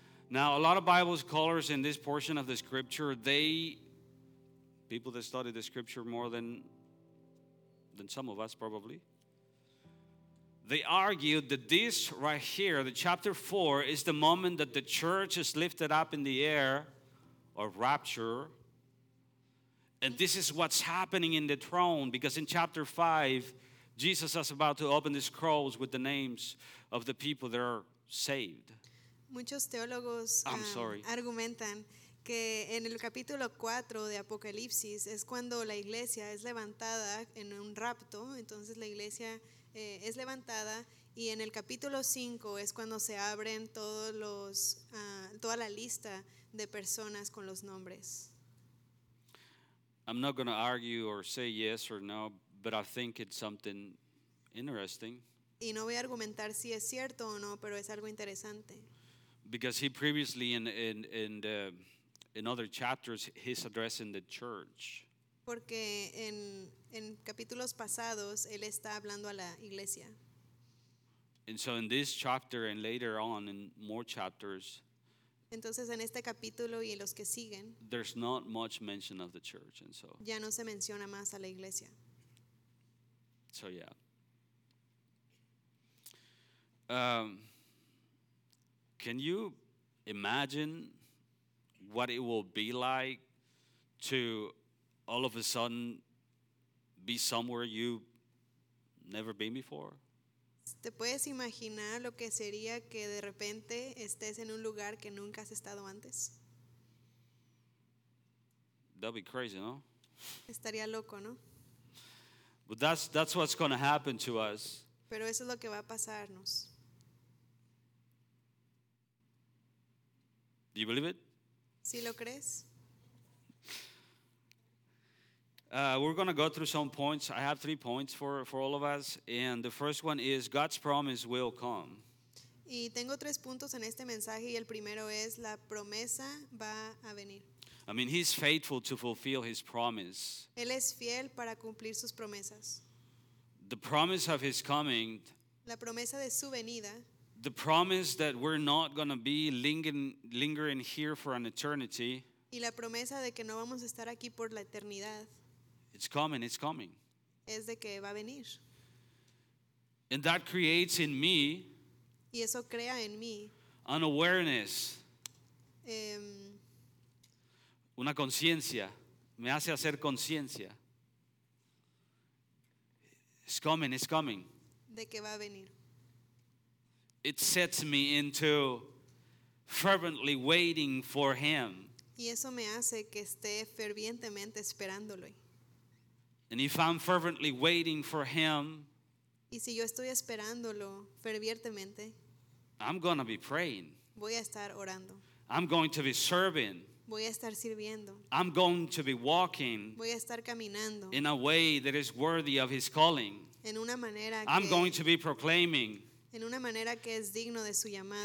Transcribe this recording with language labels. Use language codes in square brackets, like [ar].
[en] Now, a lot of Bible scholars in this portion of the scripture, people that study the scripture more than some of us probably, they argued that this right here, the chapter 4, is the moment that the church is lifted up in the air, or rapture. And this is what's happening in the throne, because in chapter 5, Jesus is about to open the scrolls with the names of the people that are saved. [es] Muchos teólogos argumentan que en el capítulo 4 de Apocalipsis es cuando la iglesia es levantada en un rapto, entonces la iglesia es levantada, y en el capítulo 5 es cuando se abren toda la lista de personas con los nombres. [en] I'm not going to argue or say yes or no, but I think it's something interesting. [es] Y no voy a argumentar si es cierto o no, pero es algo interesante. [en] Because he previously in other chapters he's addressing the church. [es] Porque en capítulos pasados él está hablando a la iglesia. [en] And so in this chapter and later on in more chapters. [es] Entonces en este capítulo y los que siguen. [en] There's not much mention of the church, and so. [es] Ya no se menciona más a la iglesia. [en] So yeah. Can you imagine what it will be like to all of a sudden be somewhere you've never been before? [es] ¿Te puedes imaginar lo que sería que de repente estés en un lugar que nunca has estado antes? [en] That'd be crazy, no? [es] Estaría loco, ¿no? [en] But that's what's going to happen to us. [es] Pero eso es lo que va a pasarnos. [en] Do you believe it? [es] ¿Sí lo crees? [en] We're going to go through some points. I have 3 points for all of us. And the first one is God's promise will come. [es] Y tengo 3 puntos en este mensaje. Y el primero es la promesa va a venir. [en] I mean, He's faithful to fulfill His promise. [es] Él es fiel para cumplir sus promesas. [en] The promise of His coming. [es] La promesa de su venida. [en] The promise that we're not going to be lingering here for an eternity. [es] Y la promesa de que no vamos a estar aquí por la eternidad. [en] It's coming. [es] Es de que va a venir. [en] And that creates in me. [es] Y eso crea en mí. [en] An awareness. [es] Una conciencia. Me hace hacer conciencia. [en] It's coming. [es] De que va a venir. [en] It sets me into fervently waiting for Him. [es] Y eso me hace que esté fervientemente esperándolo. [en] And if I'm fervently waiting for him, [es] y si yo estoy esperándolo fervientemente, [en] I'm going to be praying. [es] Voy a estar orando. [en] I'm going to be serving. [es] Voy a estar sirviendo. [en] I'm going to be walking. [es] Voy a estar caminando. [en] In a way that is worthy of his calling. [es] En una manera [en] I'm [es] que [en] going to be proclaiming. [es] En una manera que es digno de su llamado.